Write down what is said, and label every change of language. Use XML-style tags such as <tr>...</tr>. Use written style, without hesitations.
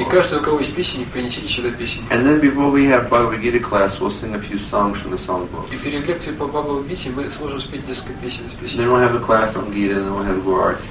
<ru>И каждый, у кого есть песни, принесите сюда песни.</ru> <en>And then before we have Bhagavad Gita class, we'll sing a few songs from the songbooks.</en> <ru>И перед лекцией по Бхагавад Гите мы сможем спеть несколько песен из песен.</ru> <en>Then we'll have a class on Gita, and then we'll have Guru Arti.</en>